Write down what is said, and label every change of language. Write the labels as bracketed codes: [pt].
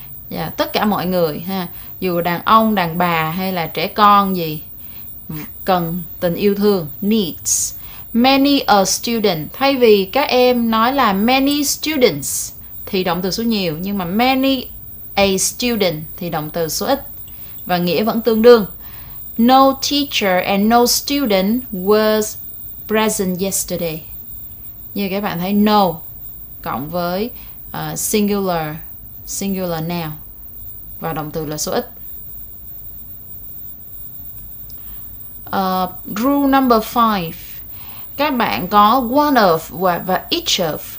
[vi] Yeah, tất cả mọi người ha, dù đàn ông, đàn bà hay là trẻ con gì cần tình yêu thương, needs. [en] Many a student, [vi] thay vì các em nói là [en] many students [vi] thì động từ số nhiều, nhưng mà [en] many a student [vi] thì động từ số ít và nghĩa vẫn tương đương. [en] No teacher and no student was present yesterday. [vi] Như các bạn thấy, no cộng với singular noun và động từ là số ít. Rule number 5. Các bạn có one of và each of.